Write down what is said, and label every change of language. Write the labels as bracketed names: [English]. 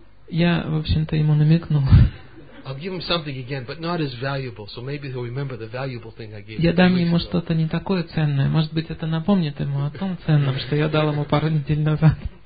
[Russian] Я, в общем-то, ему намекнул. [English] I'll give him something again, but not as valuable. So maybe he'll remember the valuable thing I gave him. [Russian] Я дам ему что-то не такое ценное. Может быть, это напомнит ему о том ценном, что я дал ему пару недель назад.